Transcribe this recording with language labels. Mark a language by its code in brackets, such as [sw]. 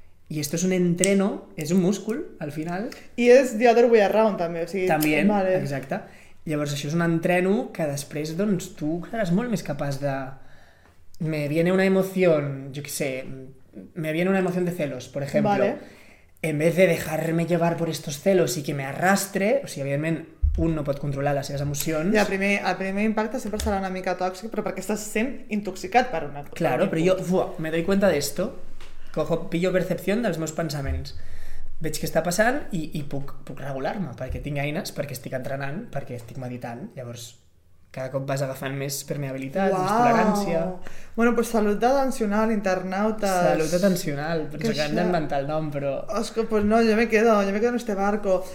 [ca] I això és un entreno, és un múscul, al final. I és [en] the other way around, [ca] també. O sigui, també, vale. Exacte. Llavors, això és un entreno que després, doncs, tu seràs molt més capaç de... [es] Me viene una emoción, yo qué sé, me viene una emoción de celos, por ejemplo. Vale. En vez de dejarme llevar por estos celos y que me arrastre, [ca] o sigui, evidentment, un no pot controlar les seves emocions. I el primer impacte sempre serà una mica tòxic, però perquè estàs sent intoxicat per una cosa. [es] Claro, però jo, me doy cuenta de esto, cojo, pillo percepción [ca] dels meus pensaments. Veig què està passant i puc regular-me, perquè tinc eines, perquè estic entrenant, perquè estic meditant, llavors... Cada cop vas agafant més permeabilitat, wow, més tolerància. Bueno, pues salut atencional, internautes. Salut atencional, però s'acabem d'inventar el nom, però... [es] Osco, pues no, jo me quedo en este barco.